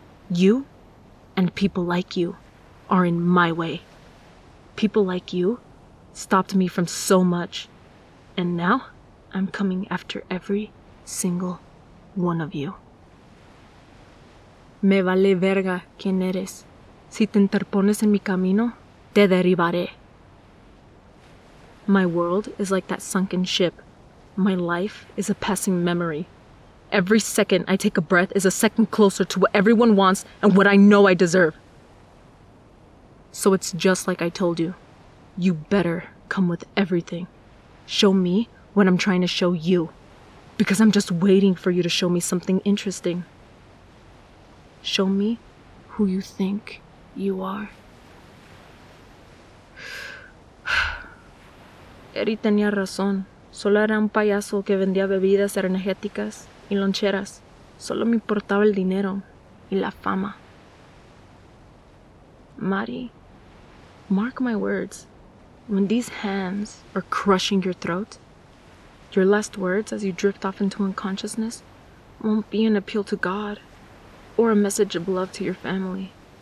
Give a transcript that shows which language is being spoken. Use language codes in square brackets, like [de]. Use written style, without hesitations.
[en] You and people like you are in my way. People like you stopped me from so much, and now I'm coming after every single one of you. [es] Me vale verga quién eres. Si te interpones en mi camino, te derribaré. [en] My world is like that sunken ship. My life is a passing memory. Every second I take a breath is a second closer to what everyone wants and what I know I deserve. So it's just like I told you. You better come with everything. Show me what I'm trying to show you. Because I'm just waiting for you to show me something interesting. Show me who you think you are. [es] Eri tenía razón. Solo era un payaso que vendía bebidas energéticas y loncheras. Solo me importaba el dinero y la fama. [en] Mari, mark my words. When these hands are crushing your throat, your last words as you drift off into unconsciousness won't be an appeal to God or a message of love to your family.